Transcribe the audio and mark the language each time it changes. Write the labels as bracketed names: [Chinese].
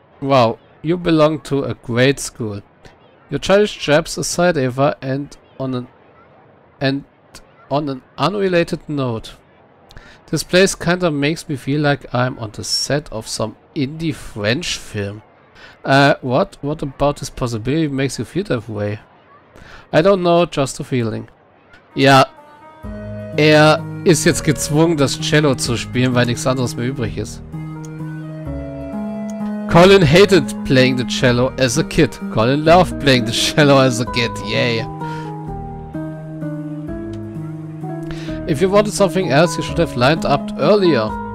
[English] Wow, you belong to a great school. Your childish jabs aside, Eva, and on an unrelated note. This place kind of makes me feel like I'm on the set of some indie French film. What? What about this possibility makes you feel that way? I don't know, just a feeling. Yeah. [German] Er ist jetzt gezwungen, das Cello zu spielen, weil nichts anderes mehr übrig ist. [English] Colin hated playing the cello as a kid. Colin loved playing the cello as a kid. Yay. If you wanted something else, you should have lined up earlier.